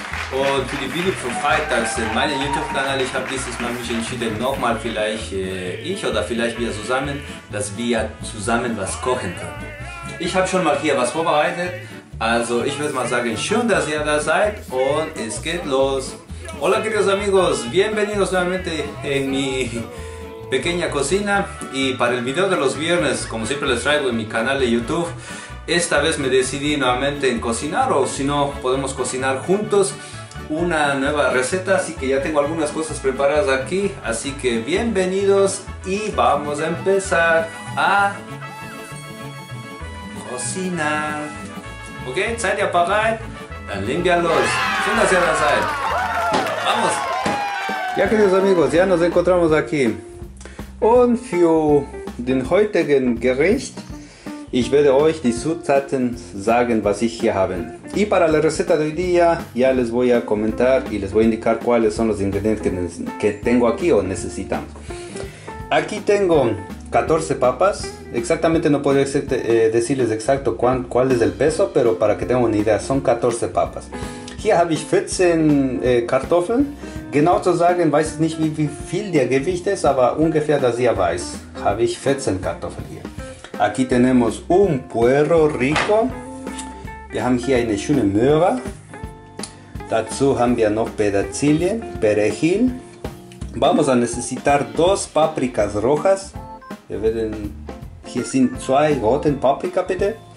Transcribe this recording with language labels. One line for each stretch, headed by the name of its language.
German: Und für die Video von Freitag sind meine YouTube-Kanal. Ich habe dieses Mal mich entschieden, nochmal vielleicht ich oder vielleicht wir zusammen, dass wir zusammen was kochen können. Ich habe schon mal hier was vorbereitet. Also ich würde mal sagen, schön, dass ihr da seid und es geht los.
Spanish: Hola queridos amigos, bienvenidos nuevamente en mi pequeña cocina y para el video de los viernes, como siempre les traigo en mi canal de YouTube, esta vez me decidí nuevamente en cocinar o si no podemos cocinar juntos una nueva receta, así que ya tengo algunas cosas preparadas aquí, así que bienvenidos y vamos a empezar a cocinar.
German: Ok, ¿seid ihr bereit? Dann legen wir los. Schön, dass ihr da seid.
Spanish: Vamos. Ya queridos amigos, ya nos encontramos aquí.
German: Und für den heutigen Gericht, ich werde euch die Zutaten sagen, was ich hier habe.
Spanish: Y para la receta de hoy día, ya les voy a comentar y les voy a indicar cuáles son los ingredientes que tengo aquí o necesitamos. Aquí tengo 14 papas. Exactamente no puedo decirles exacto cuál es el peso, pero para que tengan una idea, son 14 papas.
German: Hier habe ich 14 Kartoffeln. Genau zu sagen, weiß ich nicht, wie viel der Gewicht ist, aber ungefähr, dass ihr weiß, habe ich 14 Kartoffeln hier.
Spanish: Aquí tenemos un puerro rico.
German: Wir haben hier eine schöne Möhre. Dazu haben wir noch Petersilie, Perejil.
Spanish: Vamos a necesitar dos paprikas rojas.
German: Wir werden, hier sind zwei roten Paprika, bitte.